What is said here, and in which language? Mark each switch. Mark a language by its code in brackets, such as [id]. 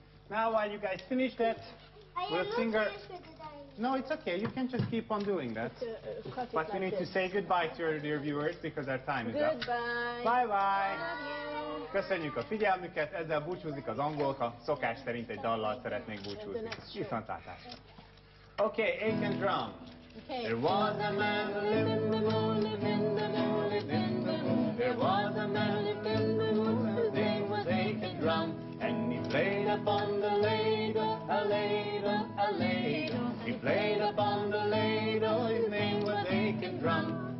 [en] Now while you guys finish that, we'll sing our... No, it's okay. You can just keep on doing that. But we need to say goodbye to our dear viewers because our time is up. Bye-bye. [hu] Köszönjük a figyelmüket. Ezzel búcsúzik az angolka. Szokás szerint egy dallal szeretnék búcsúzni. Viszontlátásra. [en] Okay, ache and drum. Okay. There was a man who lived in the moon, lived in the moon, lived in the moon. There was a man who lived in the moon, whose name was Ache and Drum. And he played upon the ladle, a ladle, a ladle. He played upon the ladle, his name was Ache and Drum.